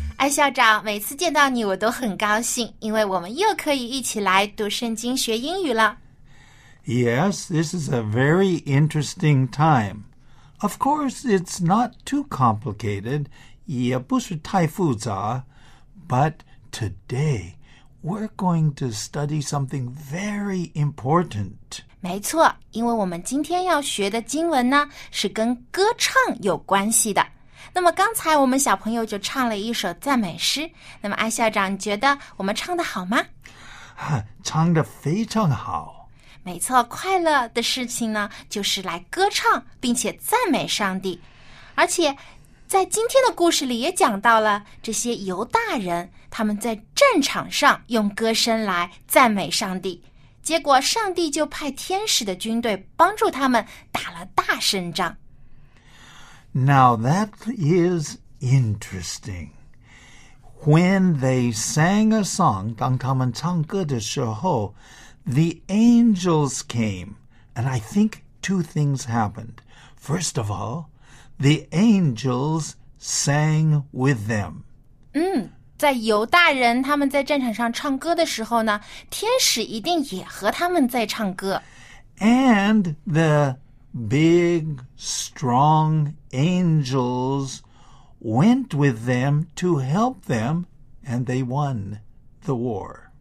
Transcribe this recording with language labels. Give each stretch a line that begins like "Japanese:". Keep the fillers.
Chinese: 校长，每次见到你，我都很高兴，因为我们又可以一起来读圣经、学英语了。
English: Yes, this is a very interesting time. Of course, it's not too complicated.
Chinese: y 不是太复杂。
English: a but today we're going to study something very important.
Chinese: 没错，因为我们今天要学的经文呢，是跟歌唱有关系的。那么刚才我们小朋友就唱了一首赞美诗。那么安校长，你觉得我们唱的好吗？唱的非常的好。没错，快乐的事情呢，就是来歌唱，并且赞美上帝。而且在今天的故事里也讲到了这些犹大人，他们在战场上用歌声来赞美上帝，结果上帝就派天使的军队帮助他们打了大胜仗。
English: Now that is interesting. When they sang a song,
Chinese: 当他们唱歌的时候,
English: the angels came. And I think two things happened. First of all, the angels sang with them.
Chinese: 嗯,在犹大人他们在战场上唱歌的时候呢,天使一定也和他们在唱歌。
English: And the big, strong angels went with them to help them, and they won the war.